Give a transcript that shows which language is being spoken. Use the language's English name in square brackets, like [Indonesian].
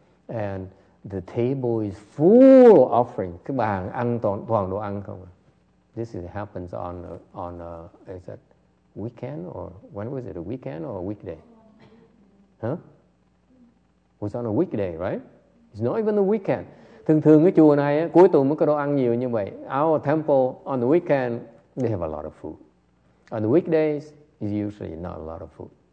[English] And the table is full of offering. [Vietnamese] Cái bàn ăn toàn đồ ăn không. [English] This is, happens on a, is that weekend or when was it, a weekend or a weekday? Huh? It was on a weekday, right? It's not even the weekend. [Vietnamese] Thường thường cái chùa này cuối tuần mới có đồ ăn nhiều như vậy. [English] Our temple on the weekend, they have a lot of food. On the weekdays, it's usually not a lot of food.